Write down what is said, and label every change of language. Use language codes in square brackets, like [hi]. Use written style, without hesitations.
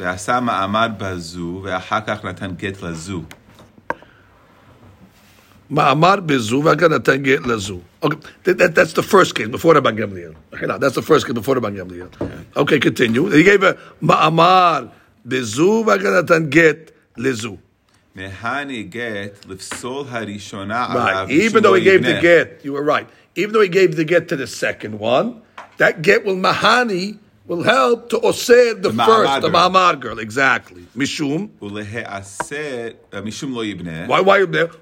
[he] ועשה מעמד בזו, ואחר כך נתן גט לזו. מאמר בזו, ואחר נתן גט לזו. [en] Okay, that's the first case, before Rabban Gamliel. Okay, that's the first case, before Rabban Gamliel. Okay, continue. He gave a [he] מאמר בזו, ואחר נתן גט לזו. מהני גט לפסול הראשונה עליו שהוא יבנה. [en] Even though he gave the get, you were right. Even though he gave the get to the second one, that get will mahani, will help to osir the first, the ma'amar girl. Exactly. Mishum. Mishum lo yibneh. Why yibneh?